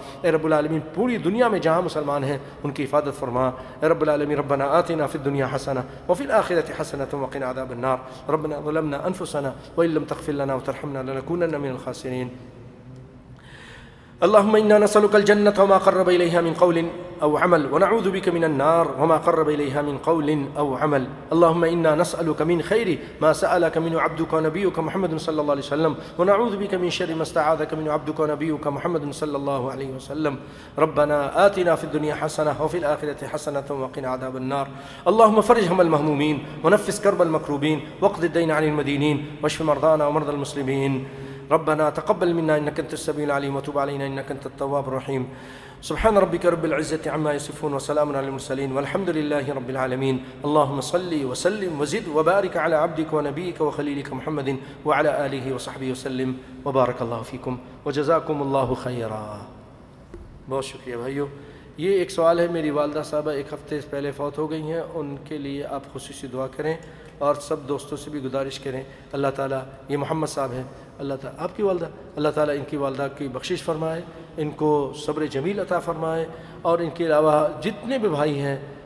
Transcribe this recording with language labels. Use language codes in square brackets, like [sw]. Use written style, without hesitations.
[ur] اے رب العالمین پوری دنیا میں جہاں مسلمان ہیں ان کی حفاظت فرما۔ اے رب العالمین [ar] ربنا آتنا فی الدنیا حسنہ وفی الآخرۃ حسنۃ وقنا عذاب النار، ربنا ظلمنا انفسنا وان لم تغفر لنا وترحمنا لنکونن من الخاسرین۔ اللهم إنا نسألك الجنة وما قرب إليها من قول أو عمل، ونعوذ بك من النار وما قرب إليها من قول أو عمل. اللهم إنا نسألك من خير ما سألك منه عبدك ونبيك محمد صلى الله عليه وسلم، ونعوذ بك من شر ما استعاذك منه عبدك ونبيك محمد صلى الله عليه وسلم. ربنا آتنا في الدنيا حسنة وفي الآخرة حسنة وقنا عذاب النار. اللهم فرج هم المهمومين، ونفس كرب المكروبين، واقض الدين عن المدينين، واشف مرضانا ومرضى المسلمين. ربنا تقبل منا انك انت السميع العليم، وتب علينا انك انت التواب الرحيم. سبحان ربك رب العزة عما يصفون، وسلام على المرسلين، والحمد لله رب العالمين. اللهم صل وسلم وزد وبارك على عبدك ونبيك وخليلك محمد وعلى آله وصحبه وسلم، وبارك الله فيكم وجزاكم الله خيرا. [ur] بہت شکریہ بھائیو، یہ ایک سوال ہے، میری والدہ صاحبہ ایک ہفتے پہلے فوت ہو گئی ہیں، ان کے لیے آپ خصوصی دعا کریں، اور سب دوستوں سے بھی گزارش کریں، اللہ تعالیٰ، یہ محمد صاحب ہیں، اللہ تعالیٰ آپ کی والدہ، اللہ تعالیٰ ان کی والدہ کی بخشش فرمائے، ان کو صبر جمیل عطا فرمائے، اور ان کے علاوہ جتنے بھی بھائی ہیں